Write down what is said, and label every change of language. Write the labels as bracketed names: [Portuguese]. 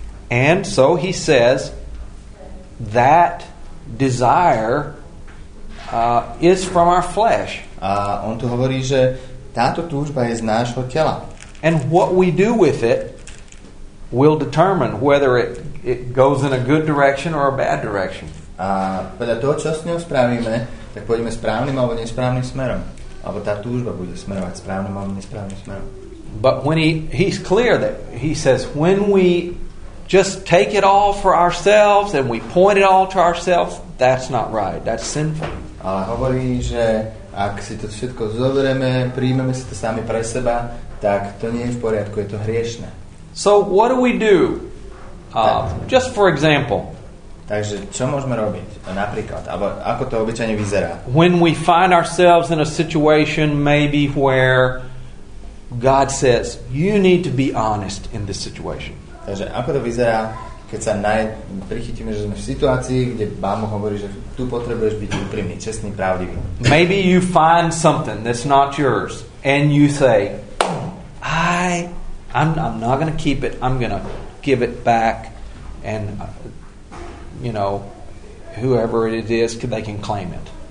[English] And so he says, that desire is from our flesh. [Slovak] A on tu hovorí, že táto túžba je z nášho tela. [English] And what we do with it will determine whether it goes in a good direction or a bad direction. [Slovak] A podľa toho, čo s ňou spravíme, tak pôjdeme správnym alebo nesprávnym smerom. Alebo tá túžba bude smerovať správnym alebo nesprávnym smerom. [English] But when he's clear that he says, when we just take it all for ourselves and we point it all to ourselves, that's not right. That's sinful. [Slovak] Ale hovorí, že ak si to všetko zoberieme, príjmeme si to sami pre seba, tak to nie je v poriadku, je to hriešne. [English] So what do we do? Just for example. [Slovak] Takže čo môžeme robiť? Napríklad, alebo ako to obyčajne vyzerá? [English] When we find ourselves in a situation maybe where God says, you need to be honest in this situation. [Slovak] Takže ako to vyzerá, keď sa prichytíme, že sme v situácii, kde Bám hovorí, že tu potrebuješ byť úprimný, čestný, pravdivý. [English] Maybe you find something that's not yours and you say, I'm not going to keep it. I'm going to give it back and you know, whoever it is, they can claim it.